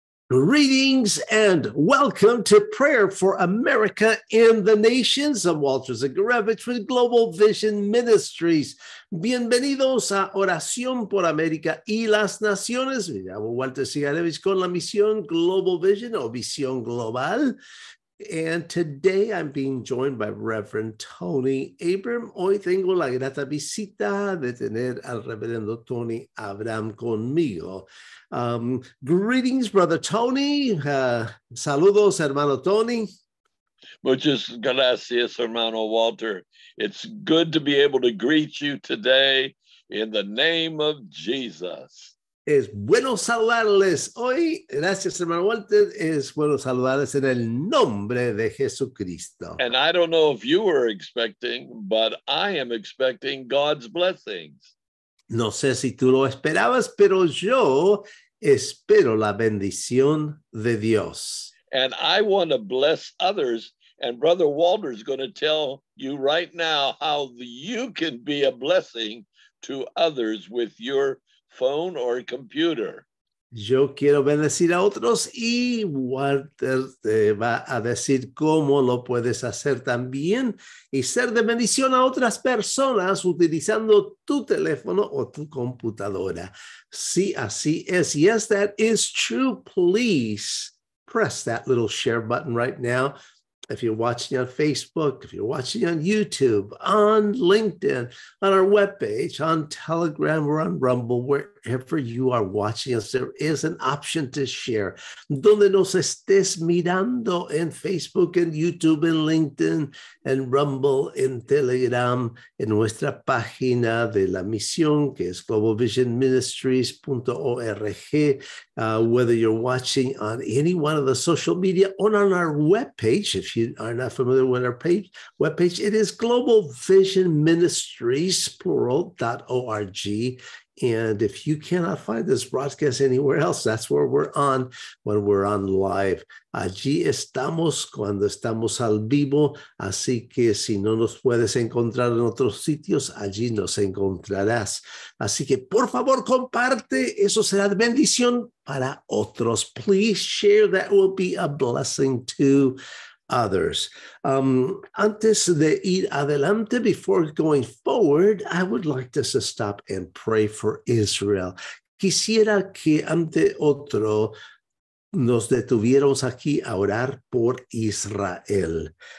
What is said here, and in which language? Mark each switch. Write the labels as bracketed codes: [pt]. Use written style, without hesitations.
[en] Greetings and welcome to Prayer for America and the Nations. I'm Walter Zagarevich with Global Vision Ministries. [es] Bienvenidos a Oración por América y las Naciones. Me llamo Walter Zagarevich con la misión Global Vision o Visión Global. [en] And today I'm being joined by Reverend Tony Abram. [es] Hoy tengo la grata visita de tener al Reverendo Tony Abram conmigo. [en] Greetings, Brother Tony. [es] Saludos, hermano Tony. Muchas gracias, hermano Walter. [en] It's good to be able to greet you today in the name of Jesus. [es] Es bueno saludarles hoy. Gracias, hermano Walter. Es bueno saludarles en el nombre de Jesucristo. [en] And I don't know if you were expecting, but I am expecting God's blessings. [es] No sé si tú lo esperabas, pero yo espero la bendición de Dios. [en] And I want to bless others. And Brother Walter is going to tell you right now how you can be a blessing to others with your phone or computer. [es] Yo quiero bendecir a otros y Walter te va a decir cómo lo puedes hacer también y ser de bendición a otras personas utilizando tu teléfono o tu computadora. Sí, así es. [en] Yes, that is true. Please press that little share button right now. If you're watching on Facebook, if you're watching on YouTube, on LinkedIn, on our webpage, on Telegram, or on Rumble, wherever you are watching us, there is an option to share. Donde nos estés mirando en Facebook, en YouTube, en LinkedIn, en Rumble, en Telegram, en nuestra página de la misión, que es globalvisionministries.org. Whether you're watching on any one of the social media or on our webpage, if you are not familiar with our page, webpage, it is globalvisionministries.org. And if you cannot find this broadcast anywhere else, that's where we're on when we're on live. [es] Allí estamos cuando estamos al vivo. Así que si no nos puedes encontrar en otros sitios, allí nos encontrarás. Así que por favor, comparte. Eso será de bendición para otros. [en] Please share. That will be a blessing to others. [es] Antes de ir adelante, [en] before going forward, I would like us to stop and pray for Israel. [es] Quisiera que ante otro nos detuviéramos aquí a orar por Israel.